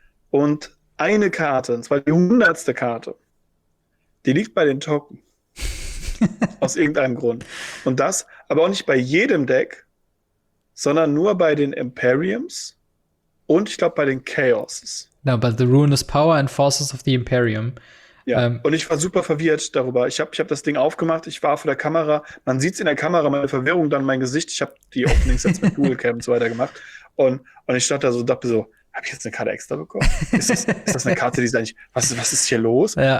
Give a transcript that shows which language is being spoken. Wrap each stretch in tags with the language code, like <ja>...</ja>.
<de>Und eine Karte, und zwar die 100. Karte, die liegt bei den Token. Aus irgendeinem Grund. Und das aber auch nicht bei jedem Deck, sondern nur bei den Imperiums und ich glaube bei den Chaoses.</de> <en>No, but the ruinous power and forces of the Imperium.</en> <de>Ja, und ich war super verwirrt darüber. Ich hab das Ding aufgemacht, ich war vor der Kamera. Man sieht es in der Kamera, meine Verwirrung, dann mein Gesicht. Ich habe die Openings jetzt mit Google Cam und so weiter gemacht. Und ich stand da so, dachte so, habe ich jetzt eine Karte extra bekommen? Ist das eine Karte, die ist eigentlich, was ist hier los? Ja.</de>